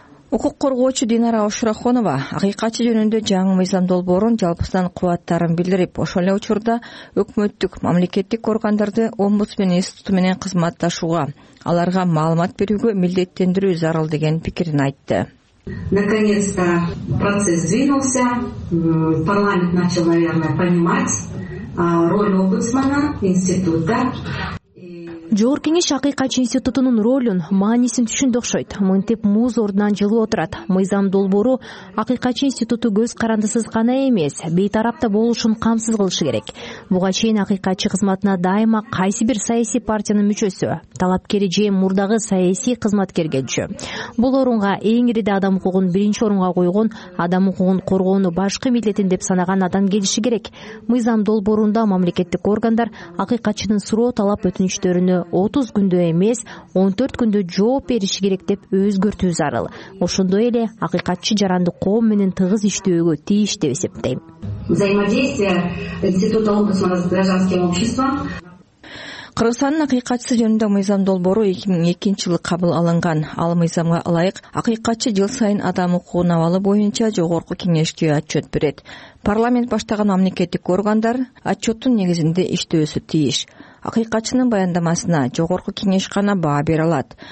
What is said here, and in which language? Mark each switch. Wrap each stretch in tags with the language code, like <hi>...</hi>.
<ky>Укук коргоочу Динара Ошурахонова акыйкатчы жөнүндө жаңы мыйзам долбоорун жалпысынан кубаттарын билдирип, ошол эле учурда өкмөттүк мамлекеттик органдарды омбудсмен институту менен кызматташууга, аларга маалымат берүүгө милдеттендирүү зарыл деген пикирин айтты.</ky> <ru>Наконец-то процесс двинулся, парламент начал, наверное, понимать роль омбудсмена института.</ru> <ky>Жогорку кеңеш акыйкатчы институтунун ролун, маанисин түшүндү окшойт. Мынтип муз ордунан жылуу отурат. Мыйзам долбоору акыйкатчы институту көз карандысыз гана эмес, бейтарапта болушун камсыз кылышы керек. Буга чейин акыйкатчы кызматына дайыма кайсы бир саясий партиянын мүчөсү, талапкери же мурдагы саясий кызматкер келчү. Бул орунга эң ириде адам укугун биринчи орунга койгон, адам укугун коргоону башкы милдетин деп санаган адам келиши керек. Мыйзам долбоорунда мамлекеттик органдар акыйкатчынын суроо талап өтүнүчтөрүн 30 күндө эмес, 14 күндө жооп бериши керек деп өзгөртүү зарыл. Ошондой эле акыйкатчы жарандык коом менен тыгыз иштөөгө тийиш деп эсептейм.</ky> <ru>Взаимодействие института омбудсмана с гражданским обществом.</ru> <ky>Кыргызстандын акыйкатчысы жөнүндө мыйзам долбоору 2002 жылы кабыл алынган. Ал мыйзамга ылайык акыйкатчы жыл сайын адам укугун абалы боюнча жогорку кеңешке отчет берет. Парламент баштаган мамлекеттик органдар отчеттун негизинде иштөөсү тийиш. Акыйкатчынын баяндамасына жогорку кеңеш гана баа бере алат.</ky>